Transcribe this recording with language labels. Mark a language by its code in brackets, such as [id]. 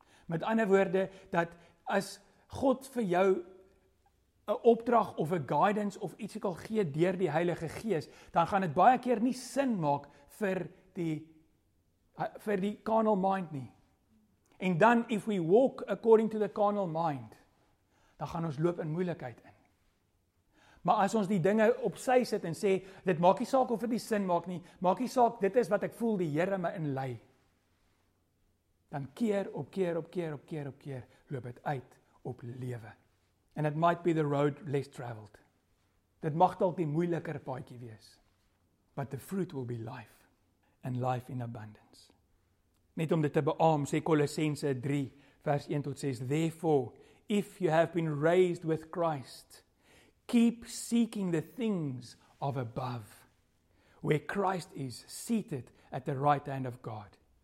[af] Met ander woorde, dat as God vir jou 'n opdrag of 'n guidance of iets ek al gee deur die Heilige Gees, dan gaan dit baie keer nie sin maak vir die carnal mind nie. En dan, [en] if we walk according to the carnal mind, [af] dan gaan ons loop in moeilikheid in. Maar as ons die dinge op sy sit en sê, dit maak nie saak of dit nie sin maak nie, maak nie saak, dit is wat ek voel die Here my in lei. Dan keer op keer loop dit uit op lewe. [en] And it might be the road less travelled. [af] Dit mag dalk die moeiliker paadjie wees. [en] But the fruit will be life. And life in abundance. [af] Net om dit te beam, sê Kolossense 3 vers 1 tot 6. [en] Therefore, if you have been raised with Christ, keep seeking the things of above, where Christ is seated at the right hand of God.